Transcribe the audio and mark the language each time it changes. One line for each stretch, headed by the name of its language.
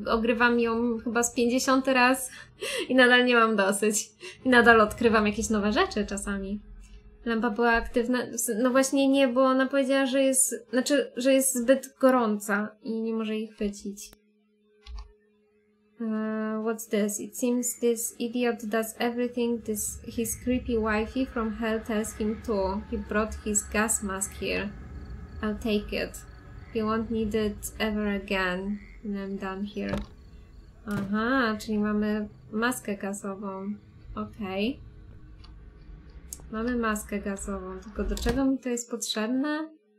Polish: Ogrywam ją chyba z 50 raz i nadal nie mam dosyć. I nadal odkrywam jakieś nowe rzeczy czasami. Lampa była aktywna. No właśnie nie, bo ona powiedziała, że jest... Znaczy, że jest zbyt gorąca i nie może jej chwycić.
English: What's this? It seems this idiot does everything this his creepy wifey from hell tells him to. He brought his gas mask here. I'll take it. He won't need it ever again when I'm done here.
Polish: Aha, czyli mamy maskę gazową. Okej. Okay. Mamy maskę gazową, tylko do czego mi to jest potrzebne?